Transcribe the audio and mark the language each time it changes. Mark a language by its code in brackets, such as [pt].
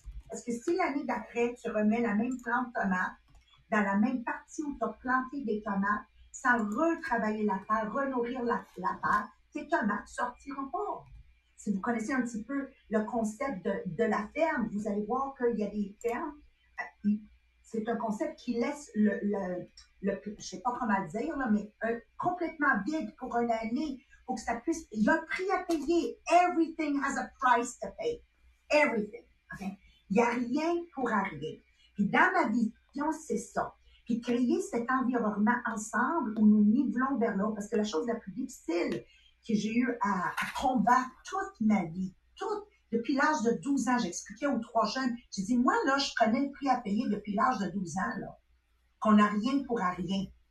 [fr] Parce que si l'année d'après, tu remets la même plante tomate dans la même partie où tu as planté des tomates, sans retravailler la terre, renourrir la terre, tes tomates ne sortiront pas. Si vous connaissez un petit peu le concept de la ferme, vous allez voir qu'il y a des fermes. C'est un concept qui laisse le je ne sais pas comment le dire, là, mais complètement vide pour une année, pour que ça puisse. Il y a un prix à payer. [en] Everything has a price to pay. [fr] Everything. Okay? Il n'y a rien pour rien. Puis dans ma vision, c'est ça. Puis créer cet environnement ensemble où nous nivelons vers l'autre, parce que la chose la plus difficile que j'ai eu à combattre toute ma vie, toute, depuis l'âge de 12 ans, j'expliquais aux trois jeunes, je dis, moi, là, je connais le prix à payer depuis l'âge de 12 ans, là, qu'on n'a rien pour rien.